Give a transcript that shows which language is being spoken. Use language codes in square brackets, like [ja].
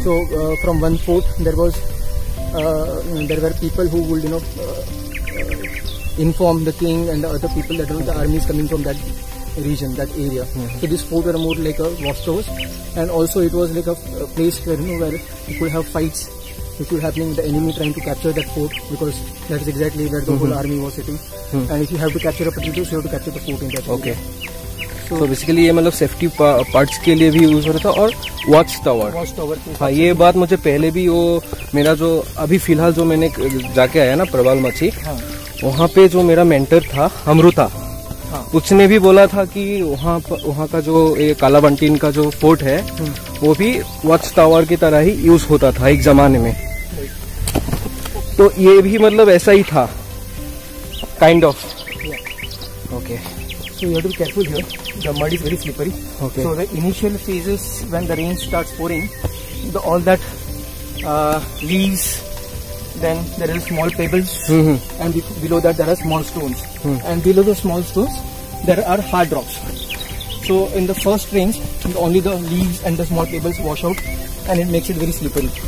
[en] So from one fort there was there were people who would, you know, inform the king and the other people that, you know, the army is coming from that region, that area. Mm-hmm. So this fort were more like a watchtower, and also it was like a place where, you know, where you could have fights which were happening with the enemy trying to capture that fort, because that is exactly where the whole army was sitting. Mm-hmm. And if you have to capture a potato, so you have to capture the fort in that area. Okay. [hi] So basically ये मतलब safety parts के लिए भी use हो रहा था और watch tower हाँ ये बात मुझे पहले भी वो मेरा जो अभी फिलहाल जो मैंने जाके आया ना प्रवाल मछी वहाँ पे जो मेरा मेंटर था अमृता उसने भी बोला था कि वहाँ वहाँ का जो काला बंटीन का जो फोर्ट है वो भी वॉच टावर की तरह ही यूज होता था एक जमाने में तो ये भी मतलब ऐसा ही था kind of okay [en] So you have to be careful here. The mud is very slippery. Okay. So the initial phases when the rain starts pouring, the, all that leaves, then there are small pebbles, mm-hmm. and below that there are small stones. Mm-hmm. And below the small stones, there are hard rocks. So in the first rains, only the leaves and the small pebbles wash out, and it makes it very slippery.